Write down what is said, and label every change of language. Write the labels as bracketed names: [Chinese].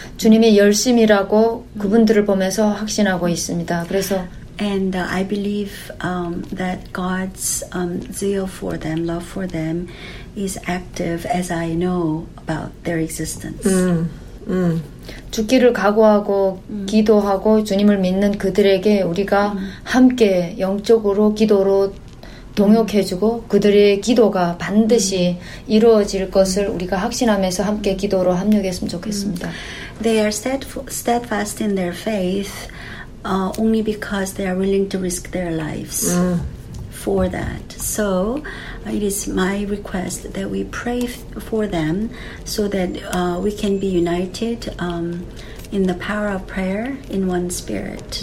[Korean] 주님이 열심이라고 그분들을 보면서 확신하고 있습니다. 그래서 [English] And I believe that God's zeal for them, love for them, is active as I know about their existence. [Korean] 죽기를 각오하고 기도하고 주님을 믿는 그들에게 우리가 함께 영적으로 기도로 동역해주고 그들의 기도가 반드시 이루어질 것을 우리가 확신하면서 함께 기도로 합력했으면 좋겠습니다. [English] They are steadfast in their faith. Only because they are willing to risk their lives for that. So it is my request that we pray for them so that we can be united in the power of prayer in one spirit.